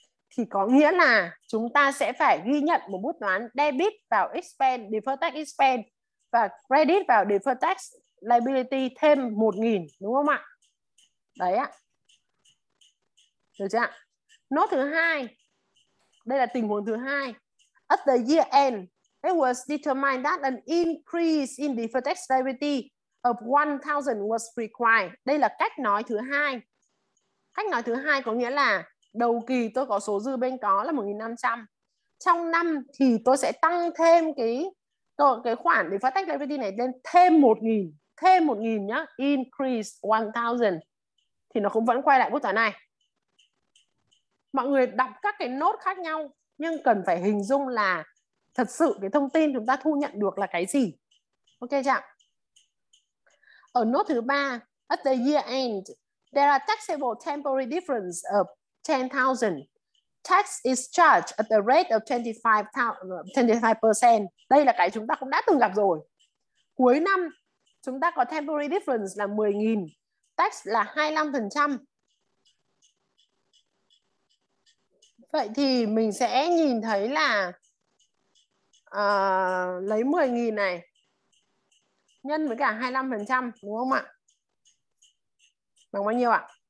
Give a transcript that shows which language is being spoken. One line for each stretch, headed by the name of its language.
Vietnamese: Thì có nghĩa là chúng ta sẽ phải ghi nhận một bút toán debit vào expense, default tax expense, và credit vào default tax liability thêm 1000, đúng không ạ? Đấy ạ. Được chưa ạ? Nốt thứ hai, đây là tình huống thứ hai.
English: At the year end, it was determined that an increase in deferred tax liability of 1000 was required.
Vietnamese: Đây là cách nói thứ hai. Cách nói thứ hai có nghĩa là đầu kỳ tôi có số dư bên có là 1500. Trong năm thì tôi sẽ tăng thêm cái khoản deferred tax liability này lên thêm 1000, thêm 1000 nhá,
English: increase 1000.
Vietnamese: Thì nó cũng vẫn quay lại bút toán này. Mọi người đọc các cái nốt khác nhau nhưng cần phải hình dung là thật sự cái thông tin chúng ta thu nhận được là cái gì. Ok chưa? Ở nốt thứ 3,
English: at the year end, there are taxable temporary difference of 10,000. Tax is charged at the rate of 25%.
Vietnamese: Đây là cái chúng ta cũng đã từng gặp rồi. Cuối năm, chúng ta có temporary difference là 10,000. Tax là 25%. Vậy thì mình sẽ nhìn thấy là lấy 10.000 này nhân với cả 25%, đúng không ạ? Bằng bao nhiêu ạ?